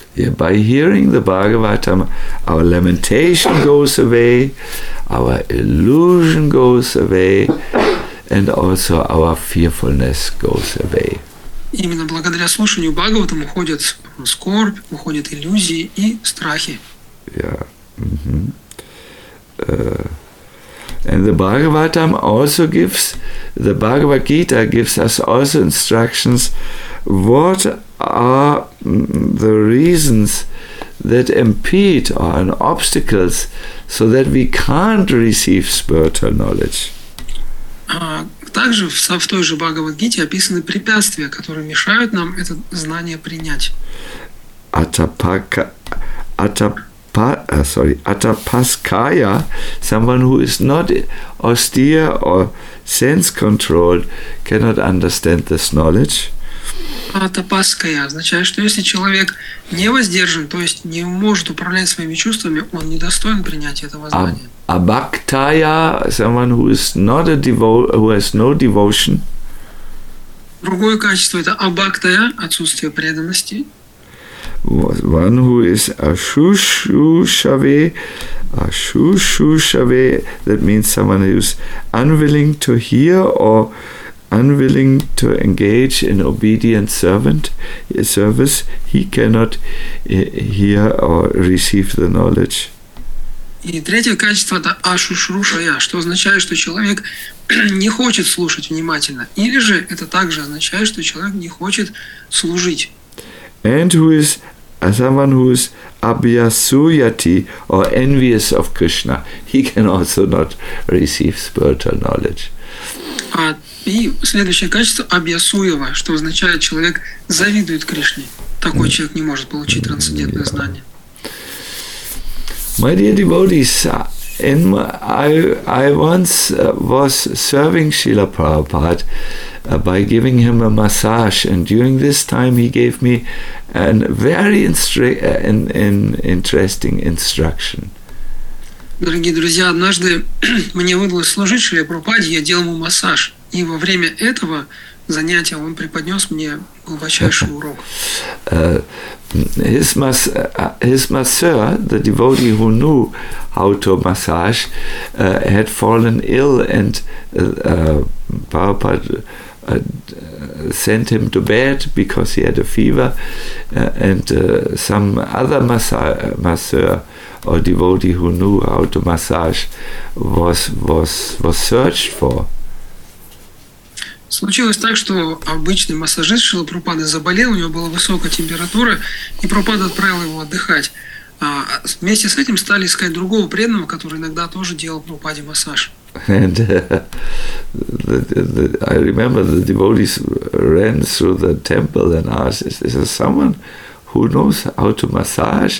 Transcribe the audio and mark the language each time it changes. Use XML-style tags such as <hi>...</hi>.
<en>Yeah, by hearing the Bhagavatam, our lamentation goes away, our illusion goes away, and also our fearfulness goes away.</en> <ru>Именно благодаря слушанию Бхагаватам уходит скорбь, уходят иллюзии и страхи. Yeah. Mm-hmm.</ru> <en>And the Bhagavatam also gives, the Bhagavad Gita gives us also instructions what are the reasons that impede or are obstacles so that we can't receive spiritual knowledge.</en> <ru>Также в той же Бхагавад-гите описаны препятствия, которые мешают нам это знание принять.</ru> <en>Atapaskaya, someone who is not austere or sense-controlled, cannot understand this knowledge.</en> <ru>Atapaskaya означает, что если человек не воздержан, то есть не может управлять своими чувствами, он недостоин принятия этого знания.</ru> <en>Abhaktaya, someone who is not a who has no devotion.</en> <ru>Другое качество – это abhaktaya, отсутствие преданности.</ru> <en>One who is ashushushave, that means someone who is unwilling to hear or unwilling to engage in obedient service, he cannot hear or receive the knowledge.</en> <ru>И третье качество – это ашушрушая, что означает, что человек не хочет слушать внимательно. Или же это также означает, что человек не хочет служить.</ru> <en>And who is someone who is abhyasuyati or envious of Krishna, he can also not receive spiritual knowledge.</en> <ru>И следующее качество – абьясуева, что означает, человек завидует Кришне. Такой человек не может получить трансцендентное знание.</ru> <en>My dear devotees, I once was serving Srila Prabhupada by giving him a massage, and during this time he gave me a very interesting instruction.</en> <ru>Дорогие друзья, однажды мне выдалось служить Шриле Прабхупаде, я делал ему массаж, и во время этого занятия он преподнес мне глубочайший урок.</ru> <en>His masseur, the devotee who knew how to massage, had fallen ill, and Prabhupada sent him to bed because he had a fever, and some other masseur or devotee who knew how to massage was searched for.</en> <ru>Случилось так, что обычный массажист Шрилы Прабхупады заболел, у него была высокая температура, и Прабхупада отправил его отдыхать. А вместе с этим стали искать другого преданного, который иногда тоже делал Прабхупаде массаж.</ru> <en>And I remember the devotees ran through the temple and asked, "Is there someone who knows how to massage?"</en>